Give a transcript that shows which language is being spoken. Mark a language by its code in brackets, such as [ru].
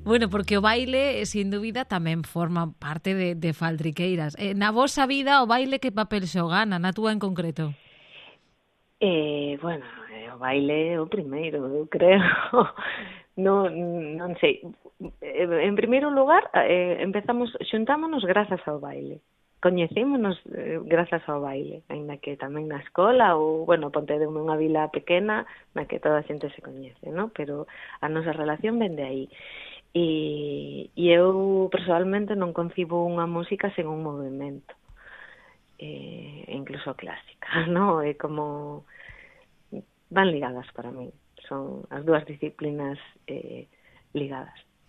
[gl] Porque o baile, sin dúbida, tamén forma parte de Faldriqueiras. Na vosa vida, o baile que papel xogana, na túa en concreto? Bueno, o baile é o primeiro, eu creo. Non sei. En primeiro lugar, empezamos, xuntámonos grazas ao baile. Coñecémonos grazas ao baile, aínda que tamén na escola ou, bueno, ponte de unha vila pequena na que toda a xente se coñece, ¿no? Pero a nosa relación ven de aí. E eu, personalmente, non concibo unha música sen un movimento. incluso clásica, ¿no? [es] Como van ligadas para mí, son las dos disciplinas ligadas.